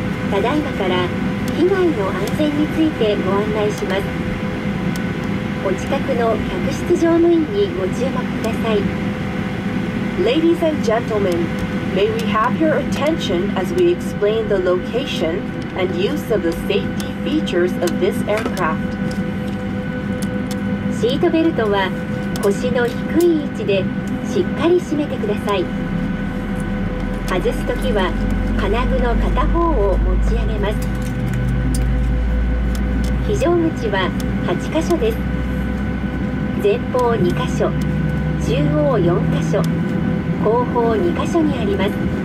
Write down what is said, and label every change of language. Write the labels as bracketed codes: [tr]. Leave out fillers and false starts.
[ja] ただいまから機内の安全についてご案内します。お近くの客室乗務員にご注目ください。 [en] Ladies and gentlemen, may we have your attention as we explain the location and use of the safety features of this aircraft [ja] シートベルトは腰の低い位置でしっかり締めてください。外すときは金具の片方を持ち上げます。非常口は8箇所です。前方2箇所、中央4箇所、後方2箇所にあります。